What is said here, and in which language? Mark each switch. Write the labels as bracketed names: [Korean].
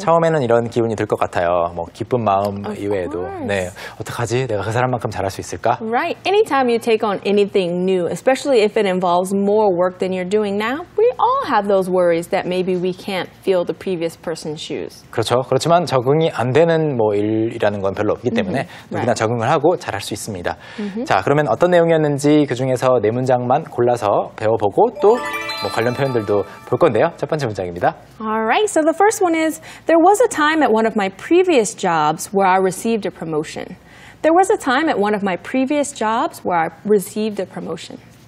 [Korean] 처음에는 이런 기분이 들 것 같아요. 뭐 기쁜 마음 이외에도. 네, 어떡하지? 내가 그 사람만큼 잘할 수 있을까? [English] Right. Anytime you take on anything new, especially if it involves more work than you're doing now, we all have those worries that maybe we can't fill the previous person's shoes. [Korean] 그렇죠. 그렇지만 적응이 안 되는 뭐 일이라는 건 별로 없기 때문에 mm-hmm. 누구나 right. 적응을 하고 잘할 수 있습니다. Mm-hmm. 자, 그러면 어떤 내용이었는지 그 중에서 네 문장만 골라서 배워보고 또 뭐 관련 표현들도 볼 건데요. 첫 번째 문장. [English] All right, so the first one is, there was a time at one of my previous jobs where I received a promotion. There was a time at one of my previous jobs where I received a promotion.